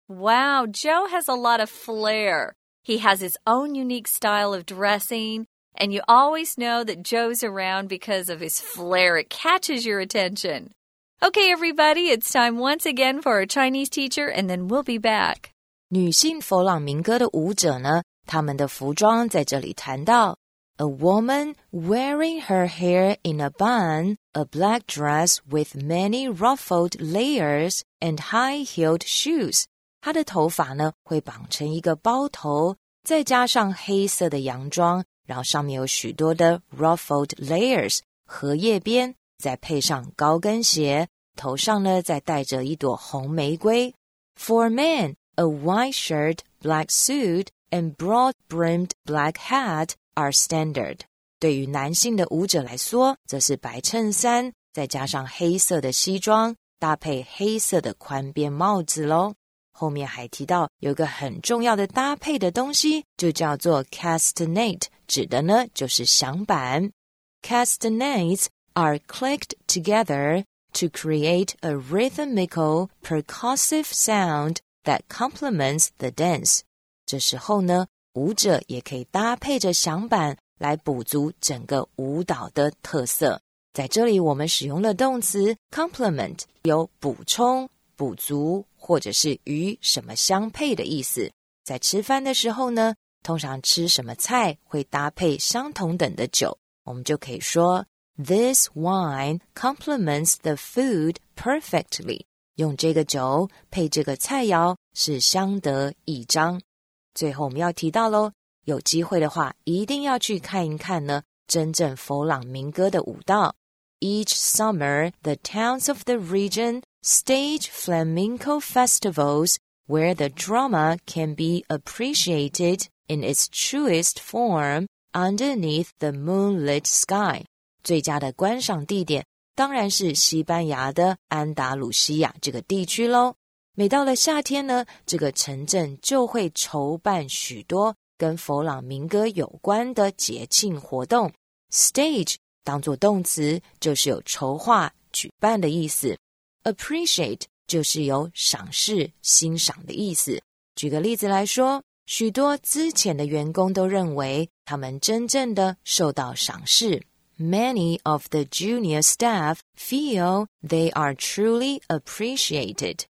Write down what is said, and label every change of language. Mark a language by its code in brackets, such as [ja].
[en] Wow, Joe has a lot of flair. He has his own unique style of dressing and you always know that Joe's around because of his flair. It catches your attention. Okay, everybody, it's time once again for our Chinese teacher and then we'll be back. [zh] 女性佛朗明哥的舞者呢，他们的服装在这里谈到。 [en] A woman wearing her hair in a bun, a black dress with many ruffled layers, and high-heeled shoes. [zh] 她的头发呢会绑成一个包头，再加上黑色的洋装，然后上面有许多的 [en] ruffled layers, [zh] 荷叶边，再配上高跟鞋，头上呢再戴着一朵红玫瑰。 [en] For men, a white shirt, black suit, and broad-brimmed black hat,are standard. [zh] 对于男性的舞者来说，则是白衬衫，再加上黑色的西装，搭配黑色的宽边帽子咯。后面还提到，有一个很重要的搭配的东西，就叫做 castanet, 指的呢，就是响板。 [en] Castanets are clicked together to create a rhythmical percussive sound that complements the dance. [zh] 这时候呢，舞者也可以搭配着响板来补足整个舞蹈的特色。在这里我们使用了动词 complement, 有补充、补足或者是与什么相配的意思。在吃饭的时候呢，通常吃什么菜会搭配相同等的酒，我们就可以说 [en] This wine complements the food perfectly. [zh] 用这个酒配这个菜肴是相得益彰。最后我们要提到咯，有机会的话一定要去看一看呢真正佛朗明哥的舞蹈。 [en] Each summer, the towns of the region stage flamenco festivals where the drama can be appreciated in its truest form underneath the moonlit sky. [zh] 最佳的观赏地点当然是西班牙的安达鲁西亚这个地区咯。每到了夏天呢，这个城镇就会筹办许多跟佛朗明哥有关的节庆活动。 Stage 当作动词就是有筹划举办的意思， Appreciate 就是有赏识欣赏的意思。举个例子来说，许多资浅的员工都认为他们真正的受到赏识。 [en] Many of the junior staff feel they are truly appreciated.